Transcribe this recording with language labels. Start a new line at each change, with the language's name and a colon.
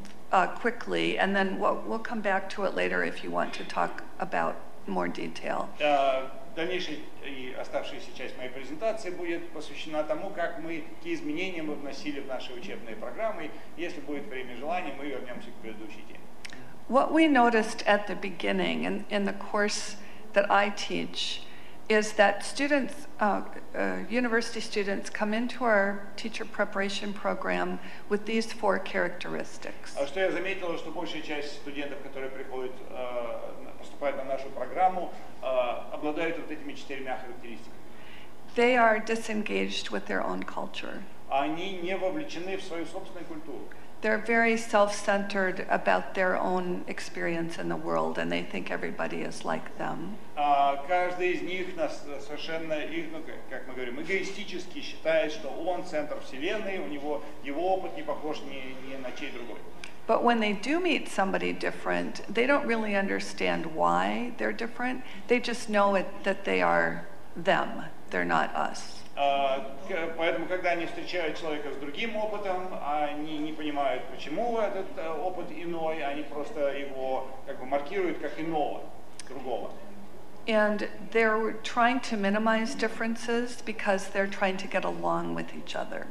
English: quickly, and then we'll come back to it later if you want to talk about more detail.
Russian: Дальнейшая и оставшаяся часть моей презентации будет посвящена тому, как мы, какие изменения мы вносили в наши учебные программы. Если будет время и желание, мы вернемся к предыдущей теме.
English: What we noticed at the beginning in the course that I teach is that students, university students, come into our teacher preparation program with these four characteristics.
Russian: Что я заметила, что большая часть студентов, которые приходят, поступают на нашу программу, обладают вот этими четырьмя характеристиками.
English: They are disengaged with their own culture.
Russian: Они не вовлечены в свою собственную культуру.
English: They're very self-centered about their own experience in the world, and they think everybody is like them.
Russian: Каждый из них нас совершенно, как мы говорим, эгоистически считает, что он центр вселенной, у него его опыт не похож ни на чей другой.
English: But when they do meet somebody different, they don't really understand why they're different. They just know it that they are them. They're not us.
Russian: Поэтому, когда они встречают человека с другим опытом, они не понимают, почему этот опыт иной, они просто его как бы маркируют как иного, другого.
English: And they're trying to minimize differences because they're trying to get along with each other.